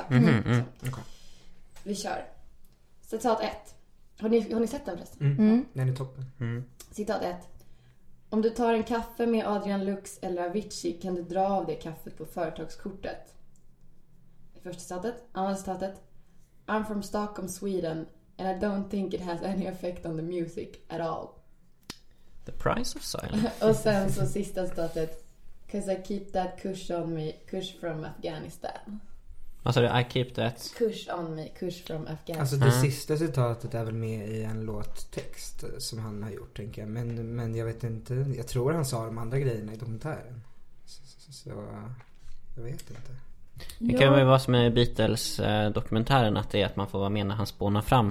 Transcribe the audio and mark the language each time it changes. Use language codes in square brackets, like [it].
[en] Okay. [sv] Vi kör. Citat ett. Har ni sett den förresten? Den är toppen. Citat ett. Om du tar en kaffe med Adrian Lux eller Avicii kan du dra av det kaffet på företagskortet. Första citatet. Andra citatet. [en] I'm from Stockholm, Sweden and I don't think it has any effect on the music at all. The price of silence. [sv] Och sen så sista citatet. [en] Because I keep that kush on me, kush from Afghanistan. [sv] Vad sa du? [en] I keep that kush on me, kush from Afghanistan. [sv] Alltså det sista citatet är väl med i en låttext som han har gjort, tänker jag. Men jag vet inte, jag tror han sa de andra grejerna i dokumentären. Så jag vet inte. Det kan väl vara som i Beatles-dokumentären att det är att man får vara med när han spånar fram.